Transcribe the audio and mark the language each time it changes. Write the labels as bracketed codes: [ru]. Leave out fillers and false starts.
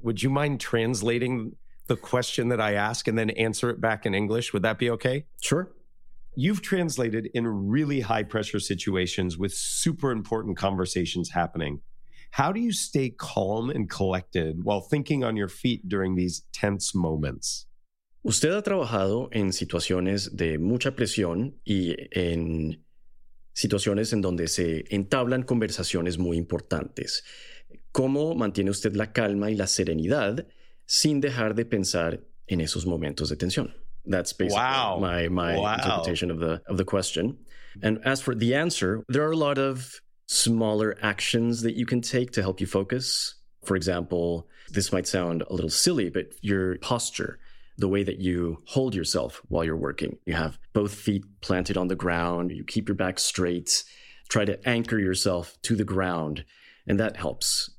[en] Would you mind translating the question that I ask and then answer it back in English? Would that be okay? Sure. You've translated in really high pressure situations with super important conversations happening. How do you stay calm and collected while thinking on your feet during these tense moments? [es] Usted ha trabajado en situaciones de mucha presión y en situaciones en donde se entablan conversaciones muy importantes. ¿Cómo mantiene usted la calma y la serenidad sin dejar de pensar en esos momentos de tensión? [en] That's basically my interpretation of the question. And as for the answer, there are a lot of smaller actions that you can take to help you focus. For example, this might sound a little silly, but your posture, the way that you hold yourself while you're working, you have both feet planted on the ground, you keep your back straight, try to anchor yourself to the ground, and that helps.